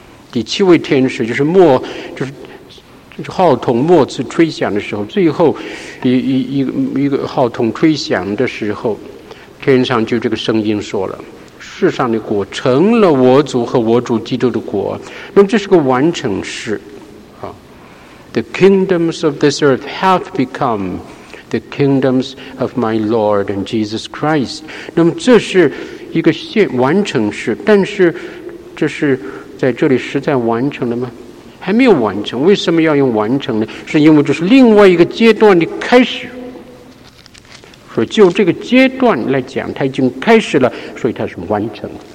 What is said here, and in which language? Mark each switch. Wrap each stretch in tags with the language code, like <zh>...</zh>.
<zh>第七位天使就是末，就是号筒末次吹响的时候，最后一个号筒吹响的时候，天上就这个声音说了，世上的国成了我主和我主基督的国。那么这是个完成式，</zh> <en>The kingdoms of this earth have become the kingdoms of my Lord and Jesus Christ.</en> <zh>那么这是一个完成式，但是这是在这里实在完成了吗？还没有完成。为什么要用完成呢？是因为这是另外一个阶段的开始。所以就这个阶段来讲，它已经开始了，所以它是完成。</zh>